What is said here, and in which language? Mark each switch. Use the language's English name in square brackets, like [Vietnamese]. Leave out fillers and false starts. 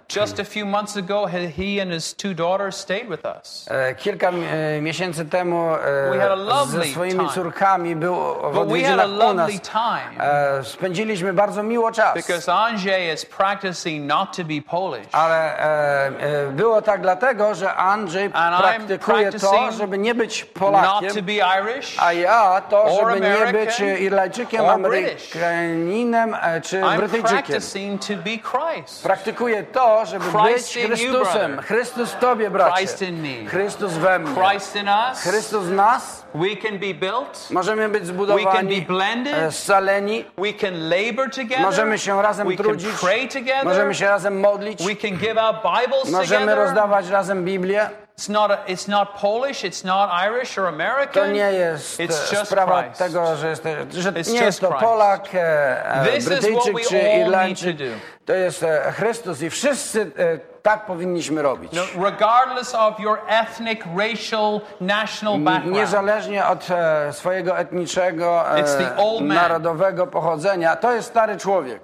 [English] Just a few months ago, he and his two daughters stayed with us. [Polish] Kilka miesięcy temu ze swoimi córkami był w odwiedzinach u nas. Spędziliśmy bardzo miło czas. [English] Because Andrzej is practicing not to be Polish. [Polish] Ale było tak dlatego, że Andrzej praktykuje to, żeby nie być Polakiem. [English] Not to be Irish. [Polish] A ja to, żeby nie być Irlandczykiem, Amerykaninem czy Brytyjczykiem. [English] I'm practicing to be Christ. [Polish] Praktykuje to. Żeby być Chrystusem. Chrystus w tobie, bracie. Chrystus we mnie. [English] Christ in us. [Polish] Chrystus w nas. [English] We can be built. [Polish] Możemy być zbudowani. [English] We can be blended. [Polish] Scaleni. [English] We can labor together. [Polish] Możemy się razem [English] We [Polish] trudzić. [English] Can pray together. [Polish] Możemy się razem modlić. [English] We can give out Bibles [Polish] Możemy [English] together. [Polish] Rozdawać razem Biblię. [English] It's not Polish, it's not Irish or American. [Polish] To nie jest sprawa tego, że jesteś, że nie jest to Polak, Brytyjczyk czy Irlandczyk. To jest Chrystus i wszyscy tak powinniśmy robić. No, [English] regardless of your ethnic, racial, national background. [Polish] Niezależnie od swojego etnicznego, narodowego pochodzenia, to jest stary człowiek.